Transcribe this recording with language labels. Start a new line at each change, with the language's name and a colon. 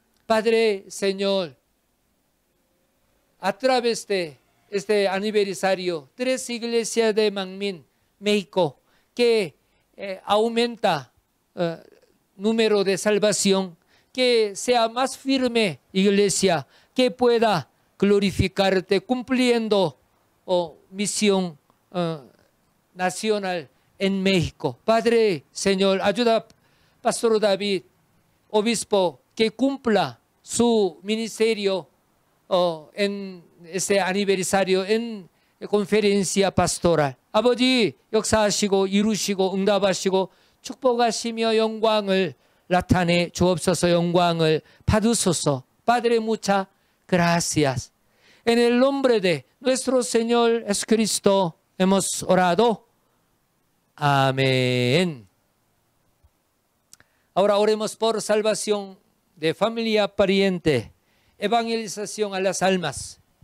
Spanish: Padre, Señor, a través de este aniversario, tres iglesias de Mangmin, México, que aumenta número de salvación, que sea más firme iglesia, que pueda glorificarte cumpliendo misión nacional en México. Padre, Señor, ayuda a Pastor David, obispo, que cumpla su ministerio en ese aniversario, en conferencia pastoral.
Korean: 아버지, 역사하시고, 이루시고, 응답하시고, 축복하시며 영광을 나타내 주옵소서. 영광을 받으소서.
Spanish: Padre, muchas gracias. En el nombre de nuestro Señor Jesucristo hemos orado. Amén. Ahora oremos por salvación de familia, pariente, evangelización a las almas.